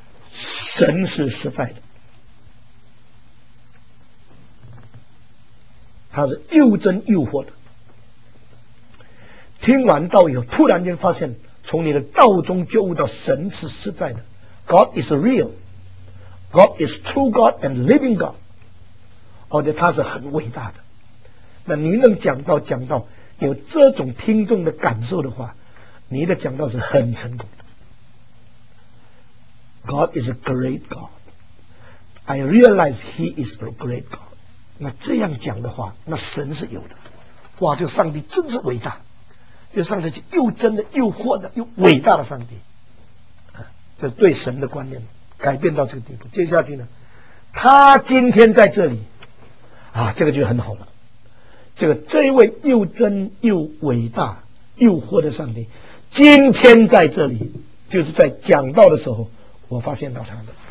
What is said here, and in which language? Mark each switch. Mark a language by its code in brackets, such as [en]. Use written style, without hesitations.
[zh] 神是实在的，他是又真又活的。听完道以后，突然间发现从你的道中就悟到神是实在的。 [en] God is real, God is true God and living God, [zh] 而且他是很伟大的。那你能讲到有这种听众的感受的话，你的讲道是很成功的。 [en] God is a great God, I realize he is a great God。 [zh] 那这样讲的话，那神是有的，哇，这上帝真是伟大，这上帝是又真的又活的又伟大的上帝，这对神的观念改变到这个地步。接下去呢，他今天在这里啊，这个就很好了，这位又真又伟大又活的上帝今天在这里，就是在讲道的时候我发现到他的。